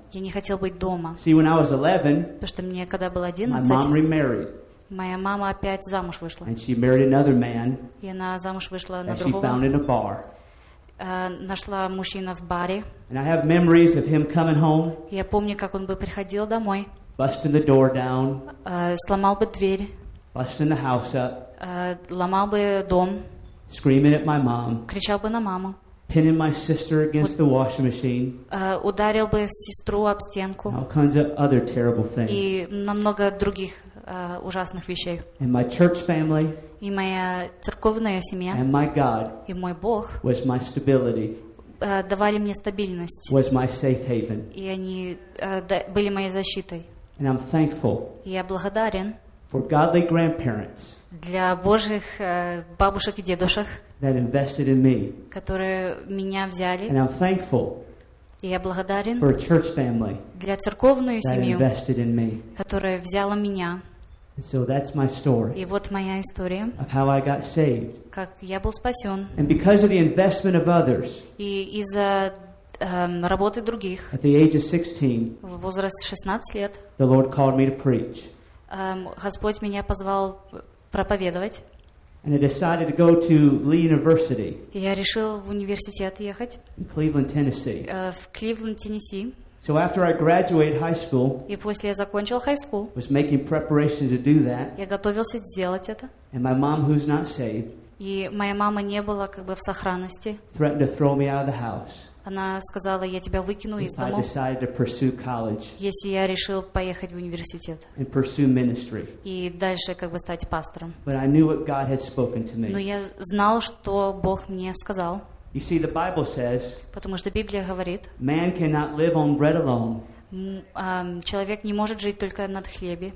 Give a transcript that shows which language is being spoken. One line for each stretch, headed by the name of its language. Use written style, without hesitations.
Russian: Я не хотел быть дома.
English: See, when I was 11,
Russian: потому что мне когда было 11,
English: my mom remarried.
Russian: Моя мама опять замуж вышла.
English: And she married another man.
Russian: И она замуж вышла на
English: другого. And she found in a bar.
Russian: Нашла мужчину в баре.
English: And I have memories of him coming home.
Russian: Я помню, как он бы приходил домой.
English: Busting the door down.
Russian: Сломал бы дверь.
English: Busting the house up.
Russian: Ломал бы дом.
English: Screaming at my mom.
Russian: Кричал бы на маму.
English: Pinning my sister against the washing machine.
Russian: Ударил бы сестру об стенку.
English: All kinds of other terrible things.
Russian: И намного других ужасных вещей.
English: And my church family.
Russian: И моя церковная семья.
English: And my God.
Russian: И мой Бог.
English: Was my stability.
Russian: Давали мне стабильность.
English: Was my safe haven.
Russian: И они были моей защитой.
English: And I'm thankful.
Russian: Я благодарен.
English: For godly grandparents.
Russian: Для Божьих бабушек и дедушек.
English: That invested in me.
Russian: Которые меня взяли.
English: And I'm thankful.
Russian: И я благодарен.
English: For a church family.
Russian: Для церковную
English: that
Russian: семью.
English: That invested in me.
Russian: Которая взяла меня.
English: And so that's my story.
Russian: И вот моя история.
English: Of how I got saved.
Russian: Как я был спасен.
English: And because of the investment of others.
Russian: И из-за работы других.
English: At the age of 16.
Russian: В возрасте 16 лет.
English: The Lord called me to preach.
Russian: Господь меня позвал проповедовать.
English: And I decided to go to Lee University.
Russian: Я решил в университет ехать.
English: In Cleveland, Tennessee.
Russian: В Кливленд, Теннесси.
English: So after I graduated high school.
Russian: И после я закончил high school.
English: Was making preparations to do that.
Russian: Я готовился сделать это.
English: And my mom, who's not saved.
Russian: И моя мама не была как бы в сохранности.
English: Threatened to throw me out of the house.
Russian: Она сказала, я тебя выкину из дома.
English: If I decided to pursue college.
Russian: Если я решил поехать в университет.
English: And pursue ministry.
Russian: И дальше как бы стать пастором.
English: But I knew what God had spoken to me.
Russian: Но я знал, что Бог мне сказал.
English: You see, the Bible says.
Russian: Потому что Библия говорит.
English: Man cannot live on bread alone.
Russian: Человек не может жить только на хлебе.